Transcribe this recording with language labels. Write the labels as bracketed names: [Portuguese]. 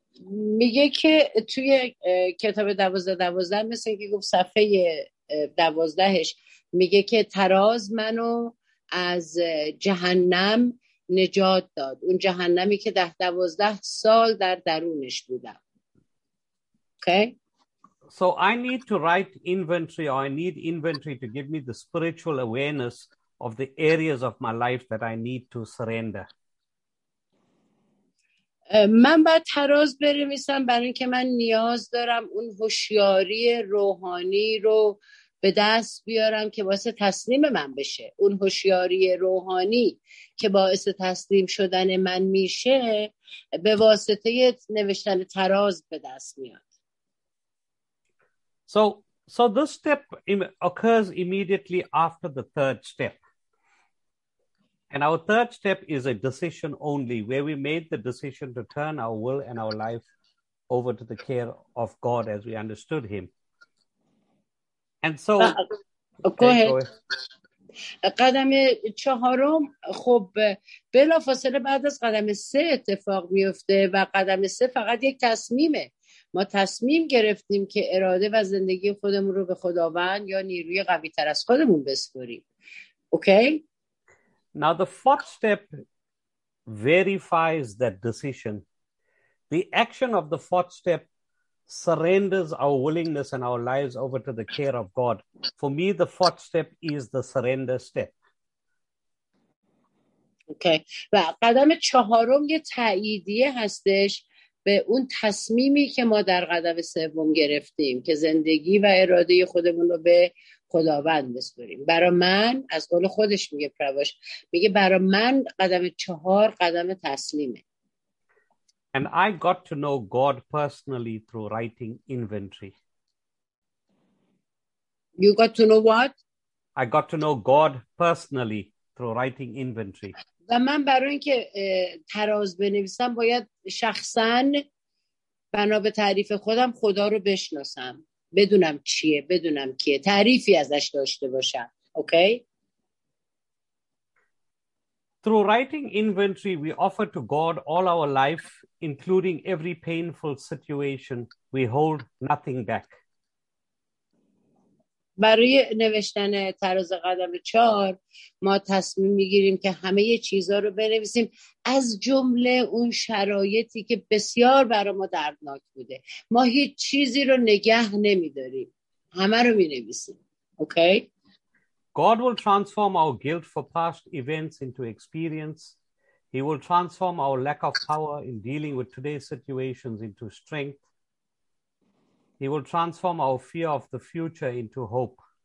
[Persian] میگه که توی کتاب 12 مثل اینکه گفت صفحه 12ش میگه که تراز منو از جهنم نجات داد، اون جهنمی که 10-12 سال در درونش بودم. [English] Okay? So I need to write inventory, or I need inventory to give me the spiritual awareness of the areas of my life that I need to surrender. [Persian] من باید تراز بنویسم برای اینکه من نیاز دارم اون هوشیاری روحانی رو به دست بیارم که واسه تسلیم من بشه. اون هوشیاری روحانی که باعث تسلیم شدن من میشه به واسطه نوشتن تراز به دست میاد. [English] So this step occurs immediately after the third step. And our third step is a decision only, where we made the decision to turn our will and our life over to the care of God as we understood him. And so... [Persian] قدم چهارم خب بلافاصله بعد از قدم سه اتفاق میفته و قدم سه فقط یک تصمیمه. ما تصمیم گرفتیم که اراده و زندگی خودمون رو به خداوند یا نیروی قوی تر از خودمون بسپاریم. [English] Okay? Now the fourth step verifies that decision. The action of the fourth step surrenders our willingness and our lives over to the care of God. For me, the fourth step is the surrender step. Okay. [Persian] و قدم چهارم یه تاییدیه هستش به اون تصمیمی که ما در قدم سوم گرفتیم که زندگی و اراده خودمون رو به خداوند بسپاریم. برای من از قول خودش میگه پرواش میگه برای من قدم چهار قدم تسلیمه. [English] And I got to know God personally through writing inventory. You got to know what? I got to know God personally through writing inventory. [Persian] و من برای اینکه تراز بنویسم باید شخصا بنا به تعریف خودم خدا رو بشناسم. بدونم چیه، بدونم کیه، تعریفی ازش داشته باشم. [English] Okay? Through writing inventory we offer to God all our life including every painful situation. We hold nothing back. [Persian] برای نوشتن تراز قدم چهار ما تصمیم میگیریم که همه چیزها رو بنویسیم از جمله اون شرایطی که بسیار برای ما دردناک بوده. ما هیچ چیزی رو نگه نمیداریم، همه رو مینویسیم. [English] Okay? God will transform our guilt for past events into experience. He will transform our lack of power in dealing with today's situations into strength. He will transform our fear of the future into hope.